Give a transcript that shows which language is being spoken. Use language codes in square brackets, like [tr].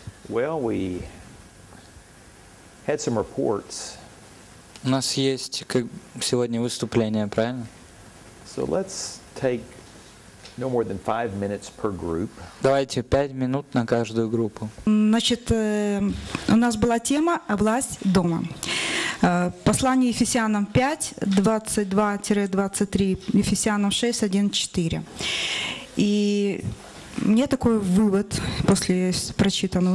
[en] Well, we had some reports. [ru] У нас есть сегодня выступление, правильно? [en] So let's take no more than 5 minutes per group. [ru] Давайте 5 минут на каждую группу. Значит, у нас была тема «Власть дома». Послание Ефесянам 5:22-23, Ефесянам 6:1-4. И мне такой вывод после прочитанного.